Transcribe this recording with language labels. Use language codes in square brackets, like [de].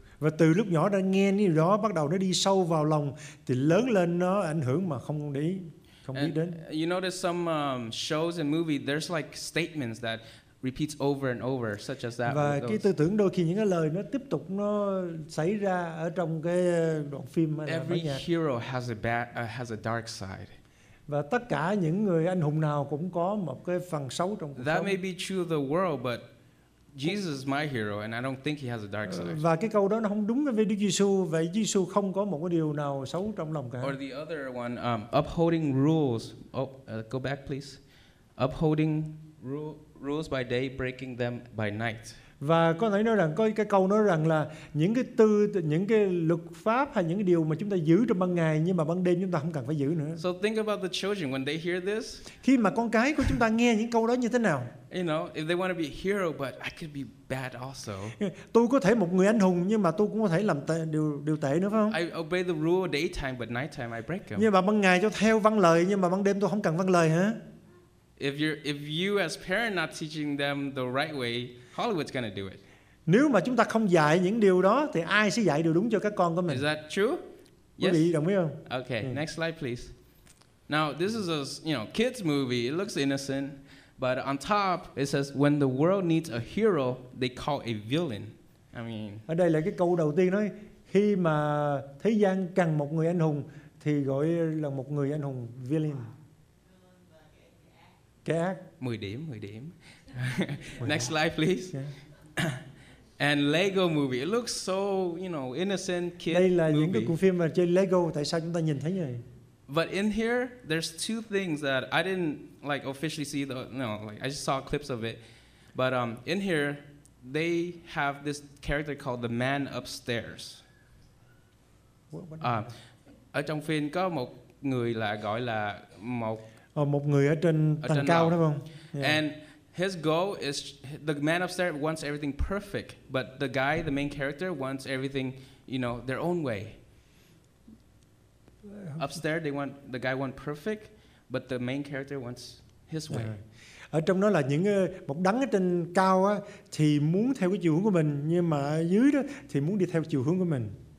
[vi] Và từ lúc nhỏ đã nghe cái đó, bắt đầu nó đi sâu vào lòng, thì lớn lên nó ảnh hưởng mà không để ý, không biết đến. [en] You notice some shows and movies, there's like statements that repeats over and over, such as that. [vi] Và cái tư tưởng đôi khi những cái lời nó tiếp tục nó xảy ra ở trong cái đoạn phim hay là [en] every hero has a dark side. [vi] Và tất cả những người anh hùng nào cũng có một cái phần xấu trong cuộc sống. [en] That may be true of the world, but Jesus is my hero, and I don't think he has a dark side. [vi] Và cái câu đó nó không đúng với Đức Giêsu, vậy Giêsu không có một cái điều nào xấu trong lòng cả. [en] Or the other one, upholding rules. Go back, please. Upholding rules by day, breaking them by night. [vi] Và có thể nói rằng, có cái câu nói rằng là những cái tư, những cái luật pháp hay những cái điều mà chúng ta giữ trong ban ngày nhưng mà ban đêm chúng ta không cần phải giữ nữa. [en] So think about the children when they hear this. [vi] Khi mà con cái của chúng ta nghe những câu đó như thế nào? [en] You know, if they want to be a hero, but I could be bad also. [vi] Tôi có thể một người anh hùng nhưng mà tôi cũng có thể làm điều tệ nữa, phải không? [en] I obey the rule of daytime, but nighttime I break them. [vi] Nhưng mà ban ngày cho theo vâng lời nhưng mà ban đêm tôi không cần vâng lời hả? [en] If you as parent not teaching them the right way, Hollywood's gonna do it. [vi] Nếu mà chúng ta không dạy những điều đó thì ai sẽ dạy điều đúng cho các con của mình? [en] Is that true? Yes. [vi] Quý vị đồng ý không? [en] Okay, yeah. Next slide please. Now, this is a, you know, kids movie. It looks innocent, but on top it says when the world needs a hero, they call a villain. I mean, [vi] ở đây là cái câu đầu tiên nói khi mà thế gian cần một người anh hùng thì gọi là một người anh hùng villain. Cái ác. 10 điểm. [en] Next slide please. And Lego movie, it looks so, you know, innocent kid movie. [vi] Đây là [en] movie. [vi] Những cái cuộn phim mà chơi Lego, tại sao chúng ta nhìn thấy như vậy? [en] But in here there's two things that I didn't like officially see the, no, like I just saw clips of it. But in here they have this character called the man upstairs. What? [vi] Ở trong phim có một người là gọi là một một người ở trên tầng cao đúng không? [en] Yeah. And his goal is the man upstairs wants everything perfect, but the guy, the main character, wants everything, you know, their own way. Upstairs, they want the guy want perfect, but the main character wants his way. [vi] Ở trong đó là những một đấng ở trên cao á thì muốn theo cái chiều hướng của mình, nhưng mà ở dưới đó thì muốn đi theo chiều hướng của mình.